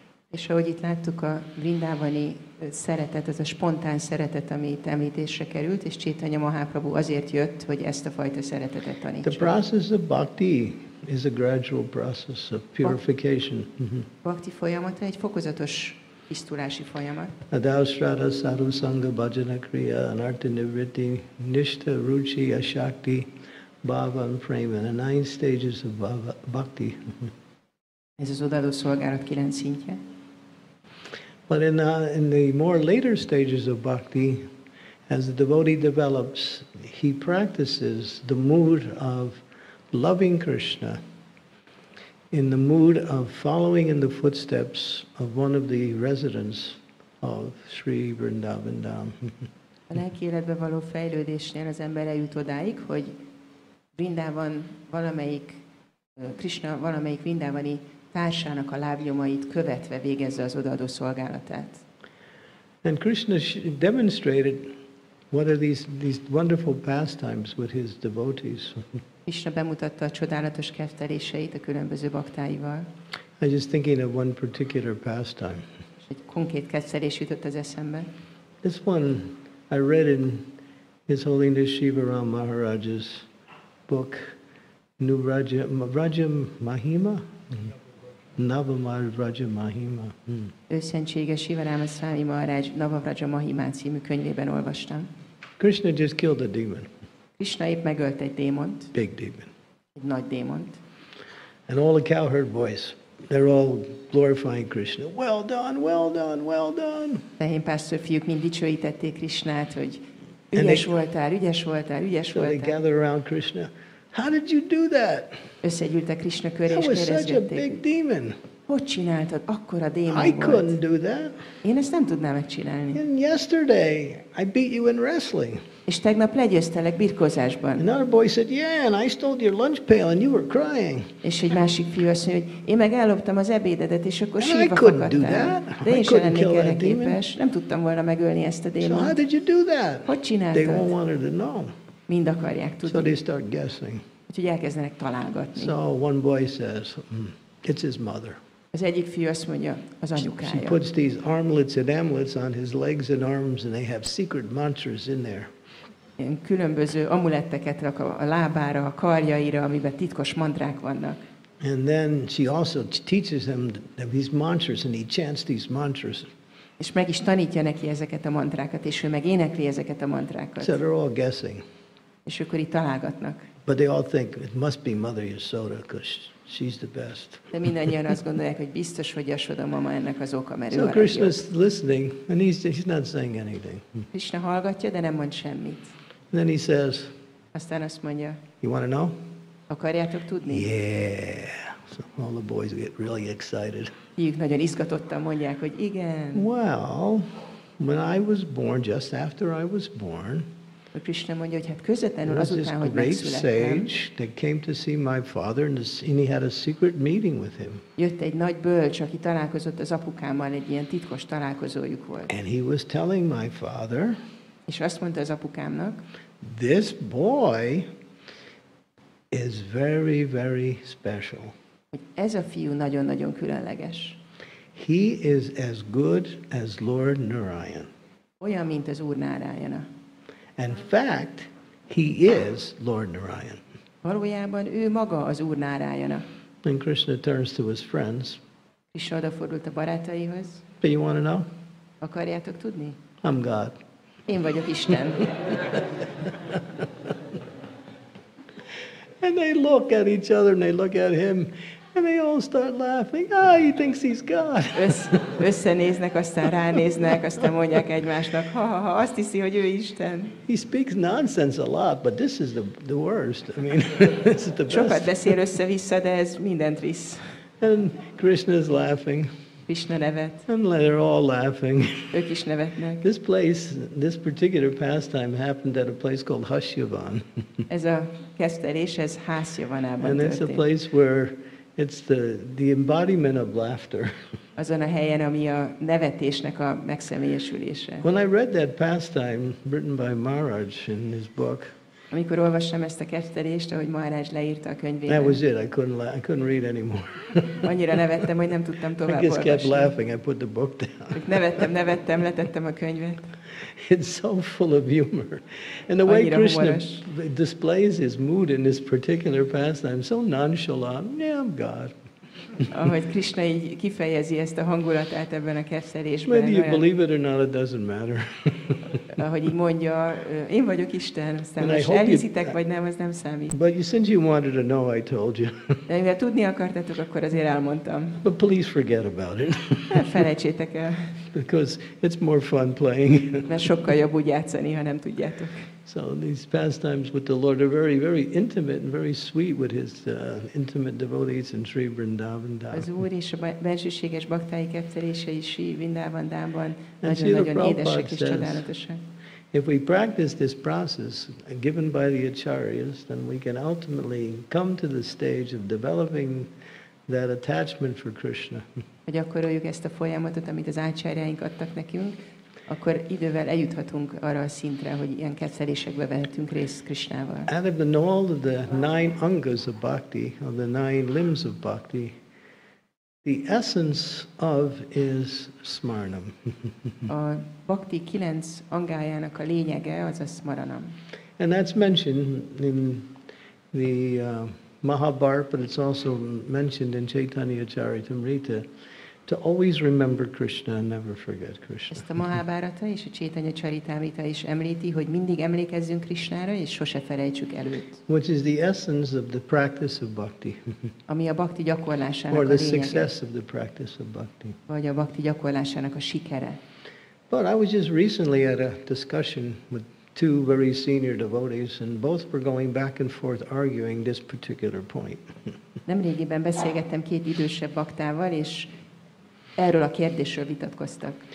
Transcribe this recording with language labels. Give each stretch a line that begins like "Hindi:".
Hungarian: És ahogy itt láttuk, a Vrindavani szeretet, az a spontán szeretet, ami itt említésre került, és Chaitanya Mahaprabhu azért jött, hogy ezt a fajta szeretetet tanítsa.
English: The process of bhakti is a gradual process of purification.
Hungarian: Bhakti folyamata egy fokozatos tisztulási folyamat.
English: Adaustrata, sarusanga, bhajanakriya, anartanivritti, nishta, ruchi, ashakti, bhava and prema, the 9 stages of bhakti.
Hungarian: Ez az odaadó szolgálat 9 szintje.
English: But in the more later stages of bhakti, as the devotee develops, he practices the mood of loving Krishna in the mood of following in the footsteps of one of the residents of Sri Vrindavan Dham.
Hungarian: A lelki életbe való fejlődésnél az ember eljut odáig, hogy Vrindavan valamelyik, Krishna valamelyik vrindavani társának a lábnyomait követve végezze az odaadó szolgálatát.
English: And Krishna demonstrated what are these wonderful pastimes with his devotees.
Hungarian: Krishna bemutatta a csodálatos kefteléseit a különböző baktáival.
English: I'm just thinking of one particular pastime.
Hungarian: Egy konkrét kefterés jutott az eszembe.
English: This one I read in His Holiness Shivaram Maharaj's book, New Vraja, Vraja Mahima? Navamaharaja Mahima.
Hungarian: Őszentsége Sivaráma Szvámi Maharaj Navavraja Mahimán című könyvében olvastam.
English: Krishna just killed a demon.
Hungarian: Krishna épp megölt egy démont.
English: Big demon.
Hungarian: Egy nagy démont.
English: And all the cowherd boys, they're all glorifying Krishna. Well done, well done, well done.
Hungarian: Tehén pásztor fiúk mind dicsőítették Krishnát, hogy ügyes voltál.
English: So they gather around Krishna. How did you do that?
Hungarian: Összegyűltek Krishna köré, és kérdezték.
English: That was such a big demon.
Hungarian: Hogy csináltad? Akkora démon volt.
English: I couldn't do that.
Hungarian: Én ezt nem tudnám megcsinálni.
English: And yesterday, I beat you in wrestling.
Hungarian: És tegnap legyőztelek birkózásban.
English: Another boy said, yeah, and I stole your lunch pail, and you were crying.
Hungarian: És egy másik fiú azt mondja, hogy én meg elloptam az ebédedet, és akkor
English: and
Hungarian: sírva fakadtam.
English: I couldn't do that.
Hungarian: De én sem lennék erre képes. Nem tudtam volna megölni ezt a démont.
English: So how did you do that?
Hungarian: Hogy csináltad?
English: They all wanted to know.
Hungarian: Mind akarják tudni.
English: So they start guessing.
Hungarian: Úgyhogy elkezdenek találgatni.
English: So one boy says, it's his mother.
Hungarian: Az egyik fiú azt mondja, az anyukája.
English: She puts these armlets and amulets on his legs and arms, and they have secret mantras in there.
Hungarian: Ilyen különböző amuletteket rak a lábára, a karjaira, amiben titkos mantrák vannak.
English: And then she also teaches him these mantras, and he chants these mantras.
Hungarian: És meg is tanítja neki ezeket a mantrákat, és ő meg énekli ezeket a mantrákat.
English: So they're all guessing.
Hungarian: És akkor itt találgatnak.
English: But they all think it must be Mother Yasoda, because she's the best.
Hungarian: De mindannyian azt gondolják, hogy biztos, hogy Yasoda mama ennek az oka, mert ő a legjobb.
English: So Krishna's listening, and he's not saying anything.
Hungarian: Krishna hallgatja, de nem mond semmit.
English: And then he says,
Hungarian: aztán azt mondja,
English: you want to know?
Hungarian: Akarjátok tudni?
English: Yeah. So all the boys get really excited.
Hungarian: Ők nagyon izgatottan mondják, hogy igen.
English: Well, when I was born, just after I was born,
Hungarian: Krishna mondja, hogy hát közvetlenül azután, hogy megszülettem.
English: There was this great sage that came to see my father, and he had a secret meeting with him.
Hungarian: Jött egy nagy bölcs, aki találkozott az apukámmal, egy ilyen titkos találkozójuk volt.
English: And he was telling my father,
Hungarian: és azt mondta az apukámnak,
English: this boy is very, very special.
Hungarian: Ez a fiú nagyon-nagyon különleges.
English: He is as good as Lord Narayan.
Hungarian: Olyan, mint az Úr Narayana.
English: In fact, he is Lord Narayan.
Hungarian: Valójában ő maga az Úr Narayana.
English: And Krishna turns to his friends.
Hungarian: Krishna odafordult a barátaihoz.
English: But you want to know?
Hungarian: Akarjátok tudni?
English: I'm God.
Hungarian: Én vagyok Isten.
English: And they look at each other and they look at him and they all start laughing. He thinks he's God.
Hungarian: Összenéznek, aztán ránéznek, aztán mondják egymásnak, ha, azt hiszi, hogy ő Isten.
English: He speaks nonsense a lot, but this is the worst. I mean, this is the best.
Hungarian: Sokat beszél össze-vissza, de ez mindent visz.
English: And Krishna's laughing.
Hungarian: Krishna nevet.
English: And they're all laughing.
Hungarian: Ők is nevetnek.
English: This place, this particular pastime happened at a place called Hasyavan.
Hungarian: Ez a kesztelés, ez Hasyavanában történt.
English: And it's a place where it's the embodiment of laughter.
Hungarian: Azon a helyen, ami a nevetésnek a megszemélyesülése.
English: When I read that pastime written by Maharaj in his book,
Hungarian: amikor olvastam ezt a kesztelést, ahogy Maharaj leírta a könyvében.
English: That was it. I couldn't read anymore.
Hungarian: Annyira nevettem, hogy nem tudtam tovább olvasni.
English: I just kept laughing. I put the book down.
Hungarian: Nevettem, letettem a könyvet.
English: It's so full of humor. And the way Krishna displays his mood in this particular pastime, so nonchalant. Yeah, I'm God.
Hungarian: Ahogy Krishna így kifejezi ezt a hangulatát ebben a kesztelésben.
English: Whether you believe it or not, it doesn't matter.
Hungarian: Ahogy így mondja, én vagyok Isten, aztán most elhiszitek, vagy nem, az nem számít.
English: But since you wanted to know, I told you.
Hungarian: De mivel tudni akartatok, akkor azért elmondtam.
English: But please forget about it.
Hungarian: Felejtsétek el.
English: Because it's more fun playing.
Hungarian: Mert sokkal jobb úgy játszani, ha nem tudjátok.
English: So these pastimes with the Lord are very, very intimate and very sweet with his intimate devotees in Sri Vrindavan Dham.
Hungarian: Az Úr és a bensőséges baktái kettelései Sri Vrindavan Dhamban nagyon-nagyon édesek és csodálatosak.
English: If we practice this process given by the acharyas, then we can ultimately come to the stage of developing that attachment for Krishna.
Hungarian: Ha gyakoroljuk ezt a folyamatot, amit az acharyáink adtak nekünk, akkor idővel eljuthatunk arra a szintre, hogy ilyen kezelésekbe vehetünk részt Krishnával.
English: Out of all of the nine angas of bhakti, of the nine limbs of bhakti, the essence of is smaranam.
Hungarian: A bhakti kilenc angájának a lényege az a smaranam.
English: And that's mentioned in the Mahabharata, but it's also mentioned in Chaitanya Charitamrita. To always remember Krishna and never forget Krishna.
Hungarian: Ezt a Mahábharata és a Chaitanya Charitamrita is említi, hogy mindig emlékezzünk Krishnára és sose felejtsük előtt.
English: Which is the essence of the practice of bhakti.
Hungarian: Ami a bhakti gyakorlásának a lényege.
English: Or the success of the practice of bhakti.
Hungarian: Vagy a bhakti gyakorlásának a sikere.
English: But I was just recently at a discussion with two very senior devotees and both were going back and forth arguing this particular point.
Hungarian: Nemrégiben beszélgettem két idősebb baktával és erről a kérdésről vitatkoztak.